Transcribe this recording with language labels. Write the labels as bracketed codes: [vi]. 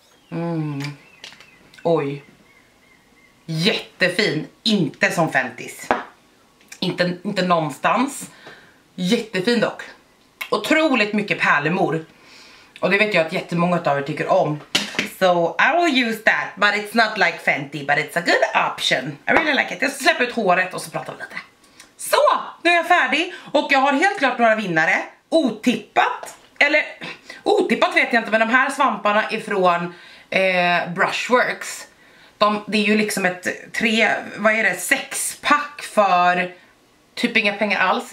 [sv] Mm. Oj. Jättefin, inte som Fenty's. Inte någonstans. Jättefin dock. Otroligt mycket pärlemor. Och det vet jag att jättemånga av er tycker om. [en] So I will use that, but it's not like Fenty, but it's a good option. I really like it. [sv] Jag släpper ut håret och så pratar vi lite. Så, nu är jag färdig och jag har helt klart några vinnare. Otippat, eller otippat vet jag inte, men de här svamparna ifrån Brushworks. Det är ju liksom ett sexpack för typ inga pengar alls.